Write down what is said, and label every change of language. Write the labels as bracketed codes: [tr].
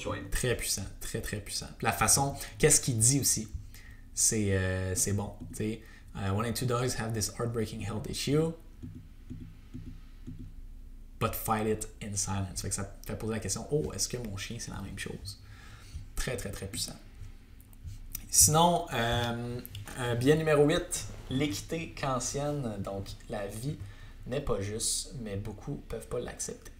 [fr] Très puissant, très très puissant. La façon, qu'est-ce qu'il dit aussi, c'est bon. [en] One in two dogs have this heartbreaking health issue. But fight it in silence. [fr] Fait que ça fait poser la question, oh, est-ce que mon chien, c'est la même chose? Très, très, très puissant. Sinon, bien numéro 8, l'équité kantienne. Donc, la vie n'est pas juste, mais beaucoup ne peuvent pas l'accepter.